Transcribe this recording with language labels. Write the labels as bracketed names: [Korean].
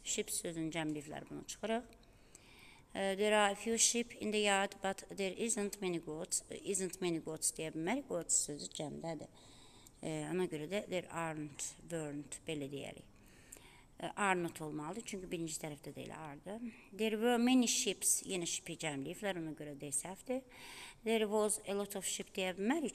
[Azerbaijani] Ships sözünü cəmləyirlər bunu çıxırıq. [English] There are a few sheep in the yard, but there isn't many goats. [Azerbaijani] Isn't many goats deyə bilmərik. Goats sözü cəmdədir. Ona görə də there aren't, weren't belə deyərik. Are not olmalıdır. Çünki birinci tərəfdə deyil are-dır. [English] There were many ships. [Azerbaijani] Yenə ship-i cəmləyiblər. Ona görə də səhvdir. [English] There was a lot of sheep [Azerbaijani] deyə bilmərik.